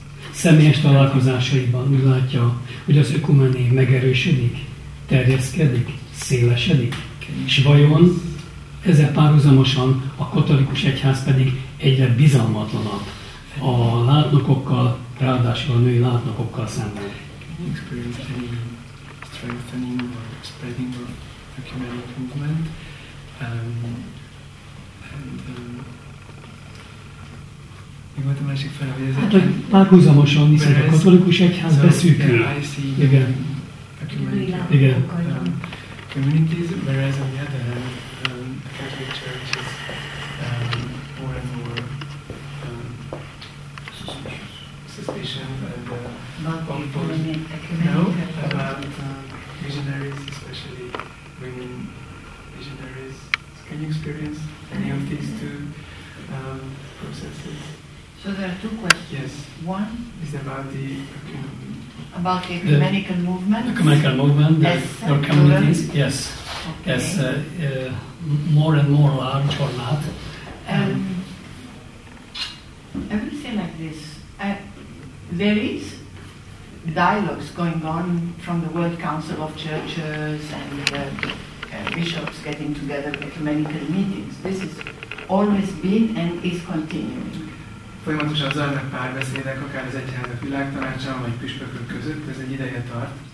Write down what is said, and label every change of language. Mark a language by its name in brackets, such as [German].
[Hungarian] Személyes találkozásaiban úgy látja, hogy az ökumené megerősödik, terjeszkedik, szélesedik, és vajon ezzel párhuzamosan a katolikus egyház pedig egyre bizalmatlanabb a látnokokkal, ráadásul a női látnokokkal szemben. [English] Strengthening or spreading of the ecumenical movement, and you want to mention further that? [Hungarian] Hát, hogy párhuzamosan, hiszen a katolikus egyház beszűkül. Igen. Igen. [English] Communities, whereas on the other hand, the Catholic Church is more and more suspicious and not open. No, about visionaries, especially women visionaries. Can you experience any of these two processes? So there are two questions. Yes. One is about the ecumenical movement. Ecumenical movement, your communities, yes. Okay. Yes, more and more large or not. Everything like this, there is dialogues going on from the World Council of Churches and bishops getting together with ecumenical meetings. This has always been and is continuing. [Hungarian] Folyamatosan zajlanak párbeszédek, akár az egyházak világtanácsán, vagy püspökök között, ez egy ideje tart.